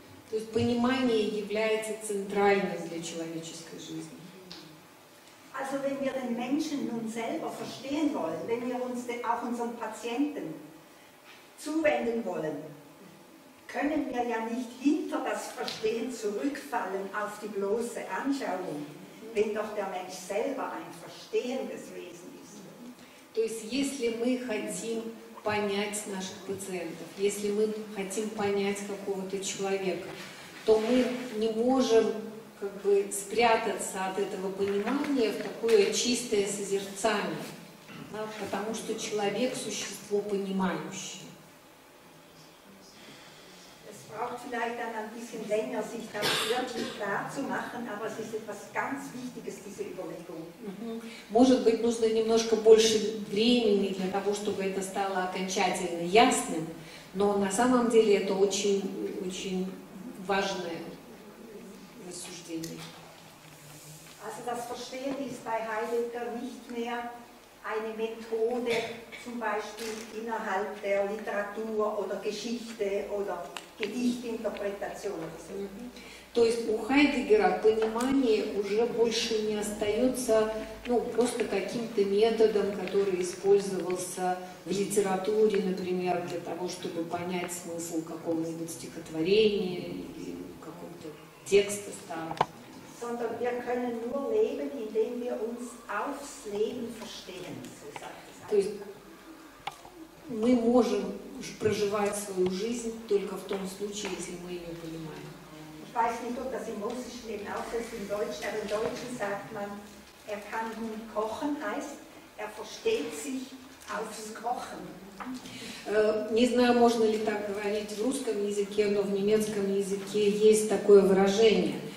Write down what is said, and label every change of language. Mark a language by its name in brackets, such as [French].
[Russian] То есть понимание является центральным для человеческой жизни. [German] Also wenn wir den Menschen nun selber verstehen wollen, wenn wir uns auch unseren Patienten zuwenden wollen, können wir ja nicht hinter das Verstehen zurückfallen auf die bloße Anschauung, wenn doch der Mensch selber ein verstehendes Wesen ist. [Russian] То есть если мы хотим понять наших пациентов, если мы хотим понять какого-то человека, то мы не можем как бы спрятаться от этого понимания в такое чистое созерцание, да, потому что человек – существо понимающее. [German] Es braucht vielleicht dann ein bisschen länger, sich das wirklich klar zu machen, aber es ist etwas ganz Wichtiges, diese Überlegung. [Russian] Может быть, нужно немножко больше времени для того, чтобы это стало окончательно ясным, но на самом деле это очень, очень важное рассуждение. [German] Also das Verstehen ist bei Heidegger nicht mehr eine Methode zum Beispiel innerhalb der Literatur oder Geschichte oder Gedichtinterpretation oder so. [Russian] То есть у Хайдеггера понимание уже больше не остается, ну, просто каким-то методом, который использовался в литературе, например, для того, чтобы понять смысл какого-нибудь стихотворения или какого-то текста старого. [German] Sondern wir können nur leben, indem wir uns aufs Leben verstehen. [Russian] То есть мы можем проживать свою жизнь только в том случае, если мы ее понимаем. [German] Ich weiß nicht, ob das im Russischen eben auch so ist, im Deutschen, aber im Deutschen sagt man, er kann nun kochen, heißt, er versteht sich aufs Kochen. [Russian] Не знаю, можно ли так говорить в русском языке, но в немецком языке есть такое выражение.